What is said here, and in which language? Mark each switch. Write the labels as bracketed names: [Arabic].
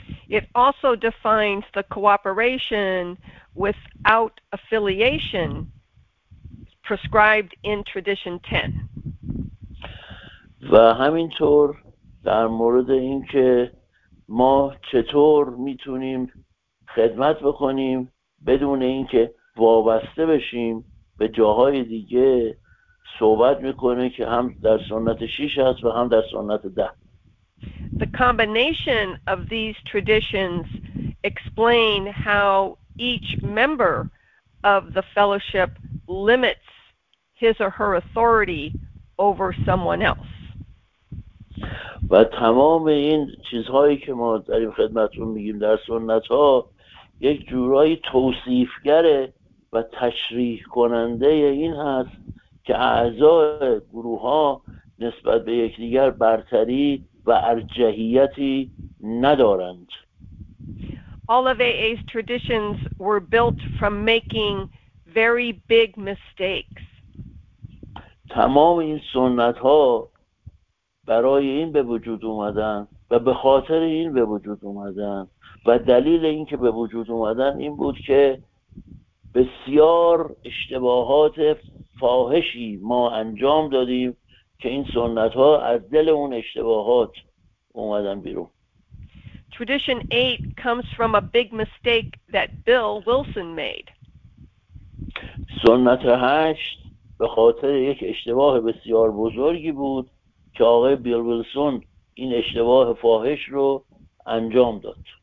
[English] It also defines the cooperation without affiliation prescribed in tradition 10. [Persian] و همینطور در مورد اینکه ما چطور میتونیم خدمت بکنیم بدون اینکه وابسته بشیم به جاهای دیگه صحبت میکنه که هم در سنت 6 هست و هم در سنت 10. [English] The combination of these traditions explain how each member of the fellowship limits his or her authority over someone else. [Persian] و تمام این چیزهایی که ما داریم خدمتون میگیم در سنت ها یک جورایی توصیفگر و تشریح کننده این هست که اعضای گروه ها نسبت به یکدیگر برتری و ارجحیتی ندارند. [English] all of AA's traditions were built from making very big mistakes. [Persian] تمام این سنت‌ها برای این به وجود اومدن و به خاطر این به وجود اومدن و دلیل این که به وجود اومدن این بود که بسیار اشتباهات فاحشی ما انجام دادیم که این سنت‌ها از دل اون اشتباهات اومدن بیرون. [English] Tradition 8 comes from a big mistake that Bill Wilson made. [Persian] سنت 8 به خاطر یک اشتباه بسیار بزرگی بود که آقای بیل ویلسون این اشتباه فاحش رو انجام داد.